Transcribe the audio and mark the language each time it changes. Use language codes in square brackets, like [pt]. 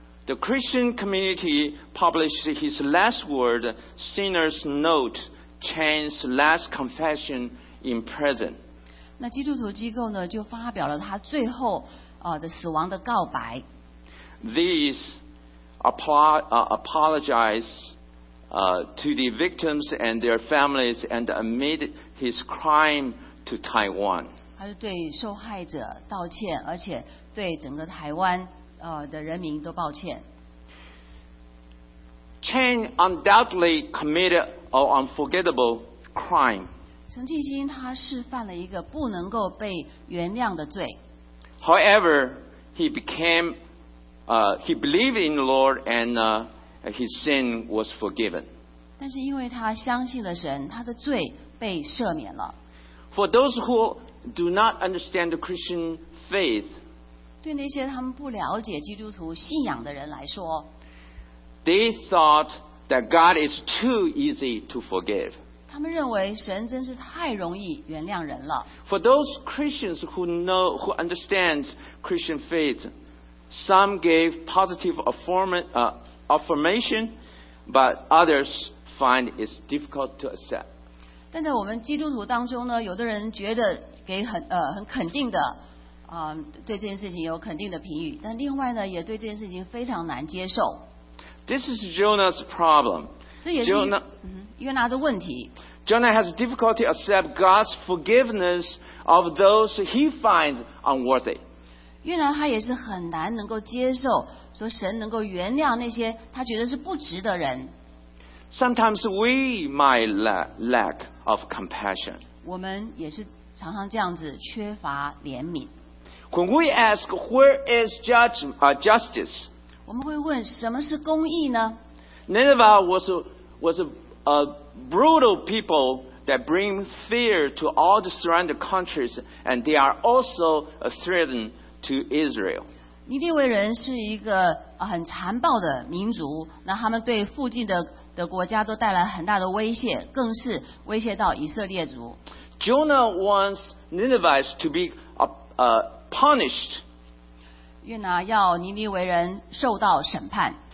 [en] The Christian community published his last word, sinner's note, Chang's last confession in prison. [zh] 那基督徒机构呢，就发表了他最后的死亡的告白。 [en] These apologize. To the victims and their families, and amid his crime to Taiwan. [zh] 他是对受害者道歉，而且对整个台湾的人民都抱歉。 [en] Chang undoubtedly committed an unforgettable crime. [zh] 陈静心他是犯了一个不能够被原谅的罪。 [en] However, he became he believed in the Lord and his sin was forgiven. [zh] 但是因为他相信了神，他的罪被赦免了。 [en] For those who do not understand the Christian faith, [zh] 对那些他们不了解基督徒信仰的人来说， [en] they thought that God is too easy to forgive. [zh] 他们认为神真是太容易原谅人了。 [en] For those Christians who understand Christian faith, some gave positive affirmation, but others find it's difficult to accept. [zh] 但在我们基督徒当中呢，有的人觉得给很肯定的，对这件事情有肯定的评语，但另外呢，也对这件事情非常难接受。 [en] This is Jonah's problem. [zh] 这也是约拿的问题。 [en] Jonah has difficulty accept God's forgiveness of those he finds unworthy. [zh] 约拿他也是很难能够接受。说神能够原谅那些他觉得是不值的人。 [en] Sometimes we might lack of compassion. [zh] 我们也是常常这样子缺乏怜悯。 [en] When we ask where is justice? [zh] 我们会问什么是公义呢？ [en] Nineveh was a brutal people that bring fear to all the surrounding countries, and they are also a threat to Israel. [zh] 尼尼微人是一个很残暴的民族，那他们对附近 的国家都带来很大的威胁，更是威胁到以色列族。 [en] Jonah wants Ninevites to be punished. [zh] 约拿要尼尼微人受到审判。